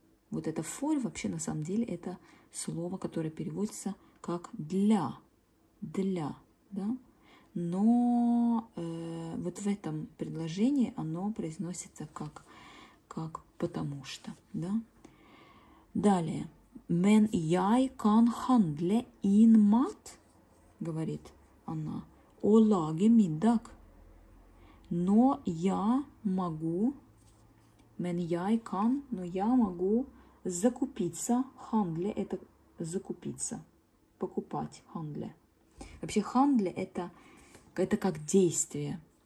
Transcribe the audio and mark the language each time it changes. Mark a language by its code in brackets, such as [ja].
[ru] Вот это for вообще на самом деле это слово, которое переводится как для, для, да? Но вот в этом предложении оно произносится как потому что, да? Далее. [no] Men jeg kan handle in mat, [ru] говорит она, [no] og lage middag. [ru] Но я могу, [no] men jeg kan, [ru] но я могу... Закупиться, хандле – это закупиться, покупать, хандле. Вообще, хандле – это как действие.